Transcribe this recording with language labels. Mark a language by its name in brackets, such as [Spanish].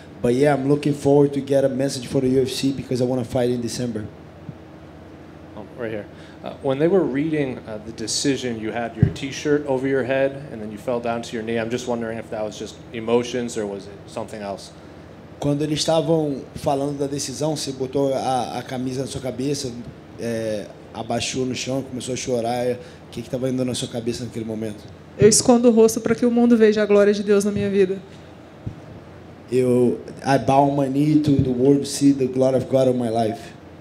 [English] But yeah, I'm looking forward to get a message for the UFC because I want to fight in December. Oh, right here. When they were reading the decision, you had your t-shirt over your head and then you fell down to your knee. I'm just wondering if that was just emotions or was it something else? [Portuguese] Quando eles estavam falando da decisão, você botou a camisa na sua cabeça, abaixou no chão, começou a chorar. O que estava indo na sua cabeça naquele momento? Eu escondo o rosto para que o mundo veja a glória de Deus na minha vida. [English] I bow my knee to the world to see the glory of God on my life.